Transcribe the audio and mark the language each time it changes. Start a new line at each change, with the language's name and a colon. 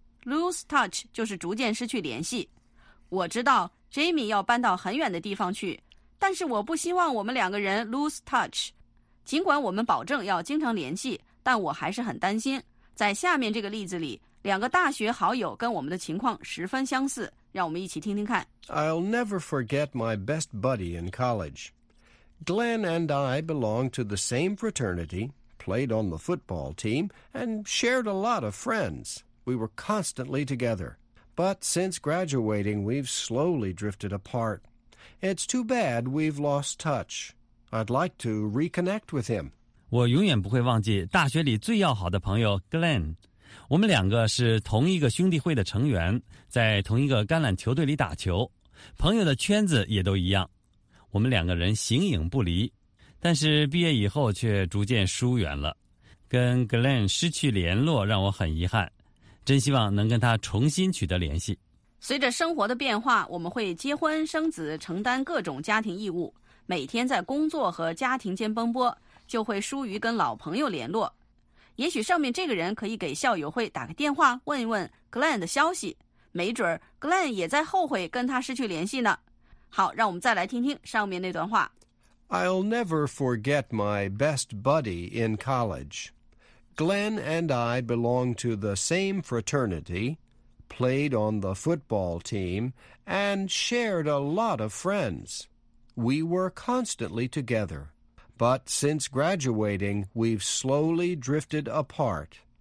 Chinese: lose touch 就是逐渐失去联系。我知道 Jamie 要搬到很远的地方去，但是我不希望我们两个人 lose touch。尽管我们保证要经常联系，但我还是很担心。在下面这个例子里，两个大学好友跟我们的情况十分相似，让我们一起听听看。
English: I'll never forget my best buddy in college. Glenn and I belonged to the same fraternity, played on the football team, and shared a lot of friends. We were constantly together. But since graduating, we've slowly drifted apart. It's too bad we've lost touch. I'd like to reconnect with him.
Chinese: 我永远不会忘记大学里最要好的朋友 Glenn。我们两个是同一个兄弟会的成员，在同一个橄榄球队里打球，朋友的圈子也都一样，我们两个人形影不离，但是毕业以后却逐渐疏远了，跟 Glenn 失去联络让我很遗憾，真希望能跟他重新取得联系。随着生活的变化，我们会结婚生子，承担各种家庭义务，每天在工作和家庭间奔波，就会疏于跟老朋友联络。也许上面这个人可以给校友会打个电话，问一问 Glenn 的消息，没准 Glenn 也在后悔跟他失去联系呢。好，让我们再来听听上面那段话。
English: I'll never forget my best buddy in college. Glenn and I belong to the same fraternity, played on the football team, and shared a lot of friends. We were constantly together. But since graduating, we've slowly drifted apart.